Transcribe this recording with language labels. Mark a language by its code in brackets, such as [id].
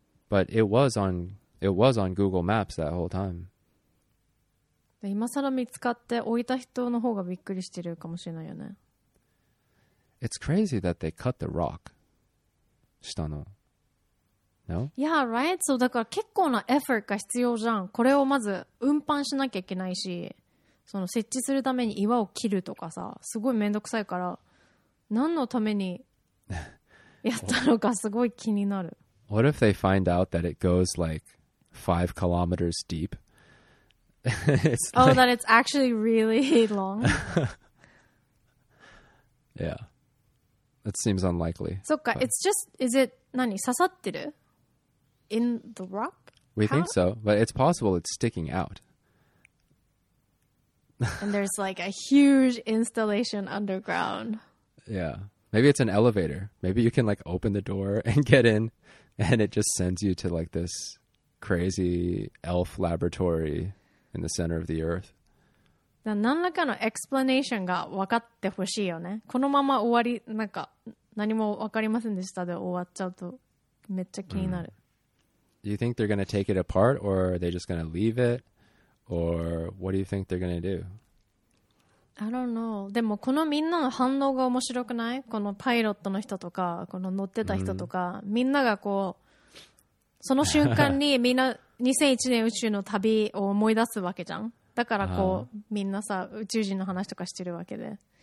[en] But it was on Google Maps that whole time. [ja] 今さら見つかって置いた人の方がびっくりしてるかもしれないよね。 [en] It's crazy that they cut the rock. [ja] 下の [en] No? Yeah, right? [ja] So, だから結構なエフェクトが必要じゃん。これをまず運搬しなきゃいけないし、その設置するために岩を切るとかさ、すごいめんどくさいから、何のためにやったのかすごい気になる。 [en] What if they find out that it goes like 5 kilometers deep? It's like... Oh, that it's actually really long? yeah. It seems unlikely. [ja] そっか、 [en] it's just, is it, [ja] 何、刺さってる? [en] In the rock? We think so, but it's possible it's sticking out. And there's like a huge installation underground. Yeah. Maybe it's an elevator. Maybe you can like open the door and get in, and it just sends you to like this crazy elf laboratory in the center of the earth. [ja] 何らかのエクスプラネーションが分かってほしいよね。このまま終わり、なんか何も分かりませんでしたで終わっちゃうとめっちゃ気になる。 [en] Do you think they're gonna take it apart or are they just gonna leave it? Or what do you think they're gonna do? I don't know. [ja] でもこのみんなの反応が面白くない?このパイロットの人とか、この乗ってた人とか、みんながこう、その瞬間にみんな2001年宇宙の旅を思い出すわけじゃん。だからこう、みんなさ、宇宙人の話とかしてるわけで。